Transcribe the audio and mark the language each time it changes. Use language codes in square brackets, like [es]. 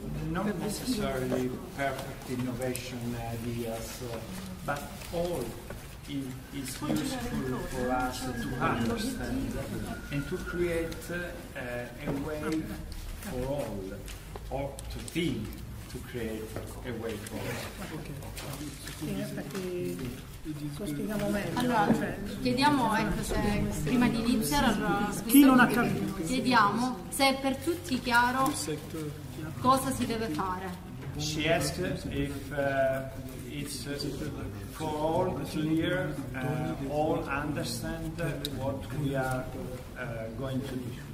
[en] not necessarily perfect innovation ideas, but all is useful for us to understand and to create a way for all, or to think to create a way for all. [it] Allora, chiediamo se prima di iniziare chiediamo se è per tutti chiaro cosa si deve fare. [en] She asked if it's for all clear, all understand what we are going to do.